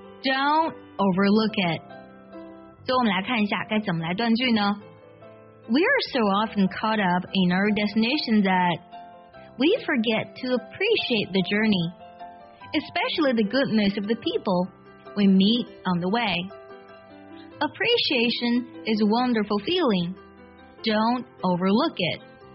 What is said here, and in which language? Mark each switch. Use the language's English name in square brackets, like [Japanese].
[English] Don't overlook it. [Chinese] 所以我们来看一下该怎么来断句呢 [English] We are so often caught up in our destination that we forget to appreciate the journey, especially the goodness of the people we meet on the way. Appreciation is a wonderful feeling. Don't overlook it.